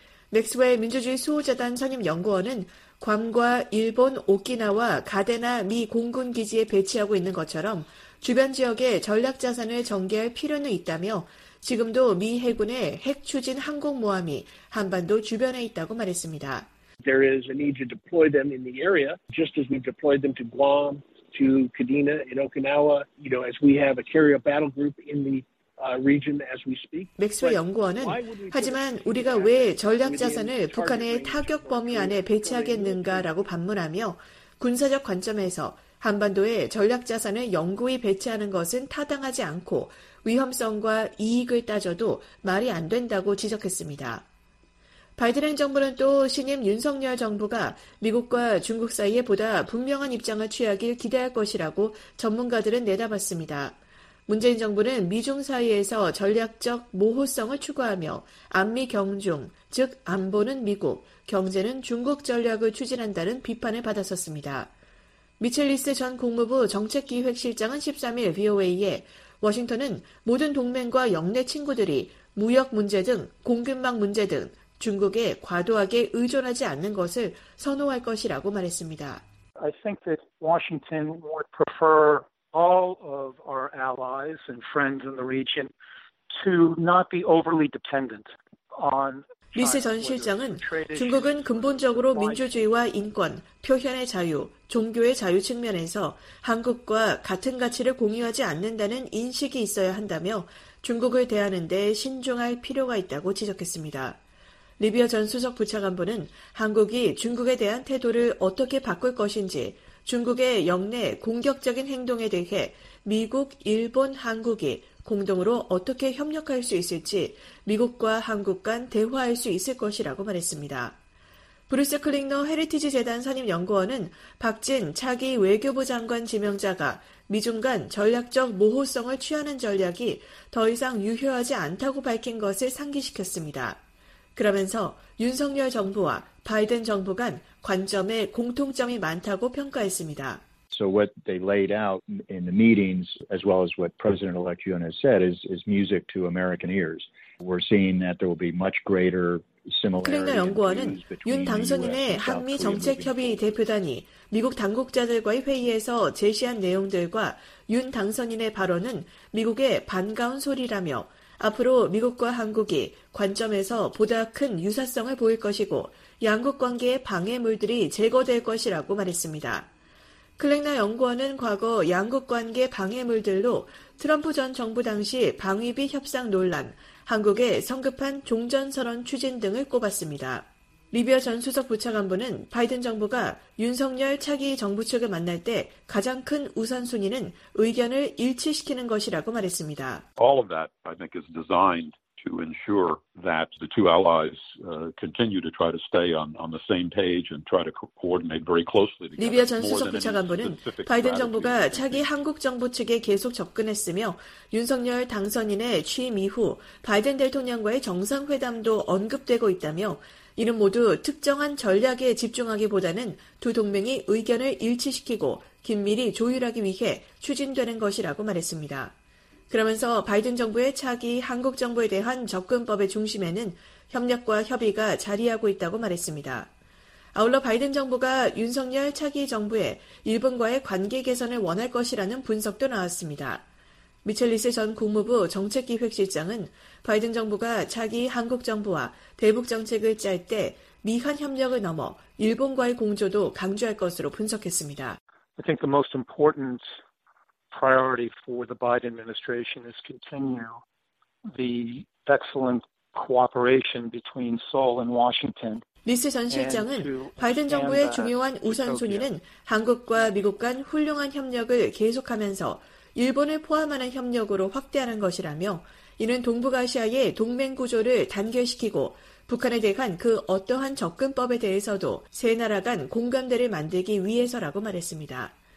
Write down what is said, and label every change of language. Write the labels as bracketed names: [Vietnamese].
[Korean] 맥스웰 민주주의 수호재단 선임연구원은 괌과 일본 오키나와 가데나 미 공군기지에 배치하고 있는 것처럼 주변 지역에 전략자산을 전개할 필요는 있다며 지금도 미 해군의 핵추진 항공모함이 한반도 주변에 있다고 말했습니다. [English] There is a need to deploy them in the area, just as we've deployed them to Guam, to Kadena, in Okinawa, you know, as we have a carrier battle group in the region as we speak. [Korean] 맥스웰 연구원은 하지만 우리가 왜 전략 자산을 북한의 타격 범위 안에 배치하겠는가라고 반문하며 군사적 관점에서 한반도에 전략 자산을 영구히 배치하는 것은 타당하지 않고 위험성과 이익을 따져도 말이 안 된다고 지적했습니다. 바이든 행정부는 또 신임 윤석열 정부가 미국과 중국 사이에 보다 분명한 입장을 취하길 기대할 것이라고 전문가들은 내다봤습니다. 문재인 정부는 미중 사이에서 전략적 모호성을 추구하며 안미 경중, 즉 안보는 미국, 경제는 중국 전략을 추진한다는 비판을 받았었습니다. 미첼리스 전 국무부 정책기획실장은 13일 VOA에 워싱턴은 모든 동맹과 영내 친구들이 무역 문제 등 공급망 문제 등 중국에 과도하게 의존하지 않는 것을 선호할 것이라고 말했습니다. [English] I think that Washington would prefer all of our allies and friends in the region to not be overly dependent on [Korean] 미스 전 실장은 중국은 근본적으로 민주주의와 인권, 표현의 자유, 종교의 자유 측면에서 한국과 같은 가치를 공유하지 않는다는 인식이 있어야 한다며 중국을 대하는 데 신중할 필요가 있다고 지적했습니다. 리비어 전 수석 부차관보는 한국이 중국에 대한 태도를 어떻게 바꿀 것인지 중국의 역내 공격적인 행동에 대해 미국, 일본, 한국이 공동으로 어떻게 협력할 수 있을지 미국과 한국 간 대화할 수 있을 것이라고 말했습니다. 브루스 클링너 헤리티지 재단 선임 연구원은 박진 차기 외교부 장관 지명자가 미중 간 전략적 모호성을 취하는 전략이 더 이상 유효하지 않다고 밝힌 것을 상기시켰습니다. 그러면서 윤석열 정부와 바이든 정부 간 관점의 공통점이 많다고 평가했습니다. [English] So what they laid out in the meetings, as well as what President-elect Yoon has said, is music to American ears. We're seeing that there will be much greater similarity. [Korean] 클링너 연구원은 윤 당선인의 한미 정책 협의 대표단이 미국 당국자들과의 회의에서 제시한 내용들과 윤 당선인의 발언은 미국의 반가운 소리라며 앞으로 미국과 한국이 관점에서 보다 큰 유사성을 보일 것이고 양국 관계의 방해물들이 제거될 것이라고 말했습니다. 클랭나 연구원은 과거 양국 관계 방해물들로 트럼프 전 정부 당시 방위비 협상 논란, 한국의 성급한 종전선언 추진 등을 꼽았습니다. 리비어 전 수석 부차관부는 바이든 정부가 윤석열 차기 정부 측을 만날 때 가장 큰 우선순위는 의견을 일치시키는 것이라고 말했습니다. [English] All of that, I think, is designed to ensure that the two allies continue to try to stay on the same page and try to coordinate very closely. [Korean] 리비어 전 수석 부차관부는 바이든 정부가 차기 한국 정부 측에 계속 접근했으며 윤석열 당선인의 취임 이후 바이든 대통령과의 정상회담도 언급되고 있다며 이는 모두 특정한 전략에 집중하기보다는 두 동맹이 의견을 일치시키고 긴밀히 조율하기 위해 추진되는 것이라고 말했습니다. 그러면서 바이든 정부의 차기 한국 정부에 대한 접근법의 중심에는 협력과 협의가 자리하고 있다고 말했습니다. 아울러 바이든 정부가 윤석열 차기 정부에 일본과의 관계 개선을 원할 것이라는 분석도 나왔습니다. 미첼리스 전 국무부 정책기획실장은 바이든 정부가 차기 한국 정부와 대북 정책을 짤 때 미한 협력을 넘어 일본과의 공조도 강조할 것으로 분석했습니다. [English] I think the most important priority for the Biden administration is continue the excellent cooperation between Seoul and Washington. [Korean] 리스 전 실장은 바이든 정부의 중요한 우선순위는 한국과 미국 간 훌륭한 협력을 계속하면서 일본을 포함하는 협력으로 확대하는 것이라며 이는 동북아시아의 동맹 구조를 단결시키고 북한에 대한 그 어떠한 접근법에 대해서도 세 나라 간 공감대를 만들기 위해서라고 말했습니다.